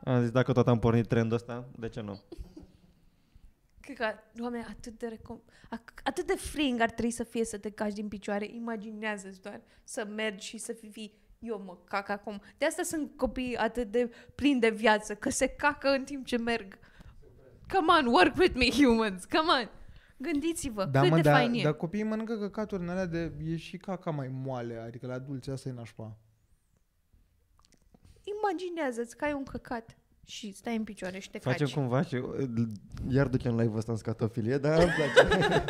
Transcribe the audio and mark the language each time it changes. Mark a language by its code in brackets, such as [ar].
[ro] Am zis, dacă tot am pornit trendul ăsta, de ce nu? Cred că, oameni, atât de freeing ar trebui să fie să te caci din picioare. Imaginează-ți doar să mergi și să fii, eu mă cac acum. De asta sunt copiii atât de plini de viață, că se cacă în timp ce merg. [en] Come on, work with me, humans, come on. [ro] Gândiți-vă, da, cât mă, de da, fain e. Dar copiii mănâncă căcaturi în alea de, e și caca mai moale, adică la adulți, asta e nașpa. Imaginează-ți că ai un căcat. Și stai în picioare și te caci. Facem cumva și iar ducem live-ul ăsta în scatofilie, dar îmi place.